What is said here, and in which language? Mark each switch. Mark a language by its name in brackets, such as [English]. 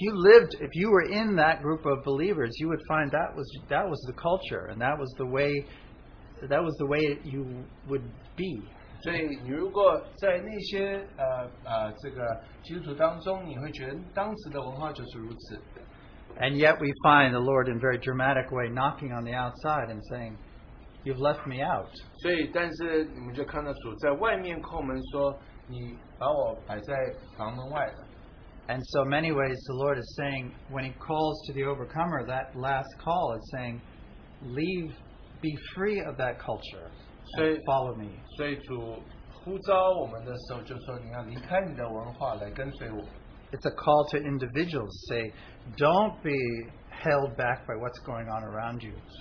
[English] you lived, if you were in that group of believers, you would find that was the culture, and that was the way you would be. [Chinese] 所以你如果在那些这个基督徒当中，你会觉得当时的文化就是如此。 [English] And yet we find the Lord in a very dramatic way knocking on the outside and saying, you've left me out. [Chinese] 所以但是你们就看到主在外面叩门说，你把我摆在房门外了。 [English] And so many ways the Lord is saying, when he calls to the overcomer, that last call is saying, leave, be free of that culture, and follow me. [Chinese] 所以主呼召我们的时候就说你要离开你的文化来跟随我。 [English] It's a call to individuals, say, don't be held back by what's going on around you.